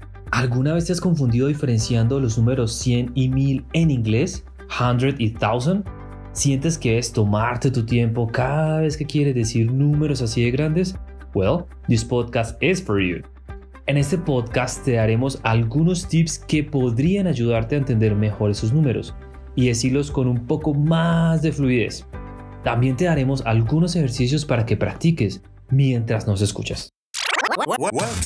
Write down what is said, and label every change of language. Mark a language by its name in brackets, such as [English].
[Spanish] ¿Alguna vez te has confundido diferenciando los números 100 y 1000 en inglés? ¿100 y 1000? ¿Sientes que es tomarte tu tiempo cada vez que quieres decir números así de grandes? [English] Well, this podcast is for you. [Spanish] En este podcast te daremos algunos tips que podrían ayudarte a entender mejor esos números y decirlos con un poco más de fluidez. También te daremos algunos ejercicios para que practiques mientras nos escuchas. [English] Welcome.